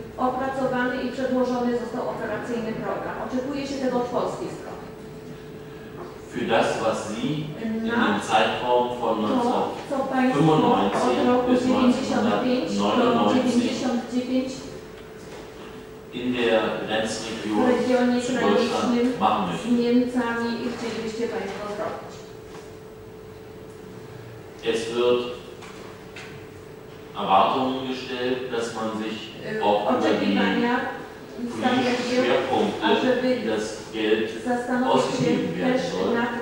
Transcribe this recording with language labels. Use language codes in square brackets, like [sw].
[pl] Opracowany i przedłożony został operacyjny program. Oczekuje się tego od polskiej strony. [de] Für das, was Sie in dem Zeitraum von 1995 bis 1999 in der Grenzregion zu Deutschland machen möchten. [pl] Z Niemcami i chcielibyście Państwo zrobić. [de] Es wird Erwartungen gestellt, dass man sich auch über die Schwerpunkte das Geld ausgegeben werden soll.